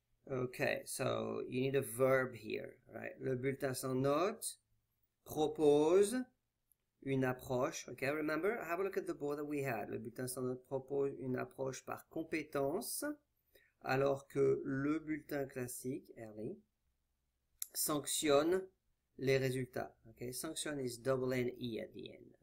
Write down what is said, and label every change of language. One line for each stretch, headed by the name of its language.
English: Okay, so you need a verb here, right?
French: Le bulletin sans note propose une approche.
English: Okay, remember, have a look at the board that we had.
French: Le bulletin sans note propose une approche par compétence, alors que le bulletin classique, early, sanctionne les résultats.
English: Okay, sanction is double N E at the end.